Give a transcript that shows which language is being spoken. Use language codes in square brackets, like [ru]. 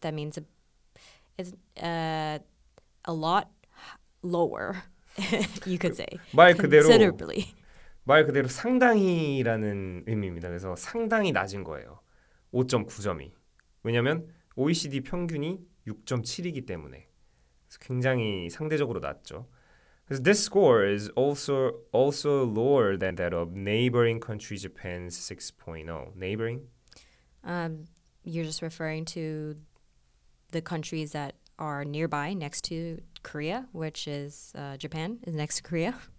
[en] That means a lot lower, you could say. [ko] 말 그대로 considerably. 말 그대로 상당히라는 의미입니다. 그래서 상당히 낮은 거예요. 5.9점이. 왜냐하면 OECD 평균이 6.7이기 때문에 그래서 굉장히 상대적으로 낮죠. 그래서 [en] this score is also lower than that of neighboring country Japan's 6.0. Neighboring? You're just referring to the countries that are nearby next to Korea, which is Japan is next to Korea.